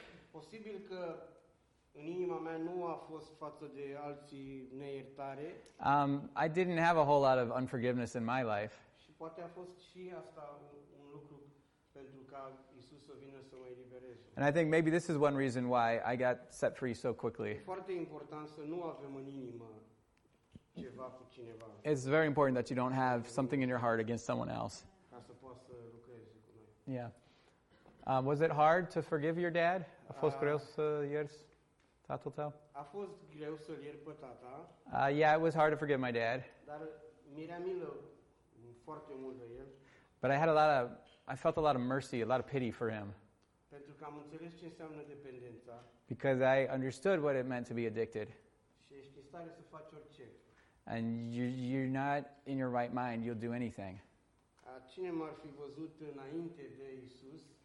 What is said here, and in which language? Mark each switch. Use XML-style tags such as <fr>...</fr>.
<ro>Posibil că în inima mea nu a fost față de alții neiertare.</ro> <en>I didn't have a whole lot of unforgiveness in my life.</en> <ro>Și poate a fost și asta un lucru pentru ca Isus să vină să mă elibereze.</ro> <en>And I think maybe this is one reason why I got set free so quickly.</en> <ro>Foarte important să nu avem în inimă ceva cu cineva.</ro> <en>It's very important that you don't have something in your heart against someone else.</en> <ro>Ca să poată să lucreze cu noi.</ro> <en>Yeah. Was it hard to forgive your dad?</en> <ro>A fost greu să ierți? A fost greu să-l iert pe tata.</ro> <en>Yeah, it was hard to forgive my dad.</en> <ro>Dar mi-era milă foarte mult de el.</ro> <en>But I felt a lot of mercy, a lot of pity for him.</en> <ro>Pentru că am înțeles ce înseamnă dependența.</ro> <en>Because I understood what it meant to be addicted.</en> <ro>Și ești în stare să faci orice.</ro> <en>And you're not in your right mind, you'll do anything.</en> <ro>Cine m-ar fi văzut înainte de Isus?</ro>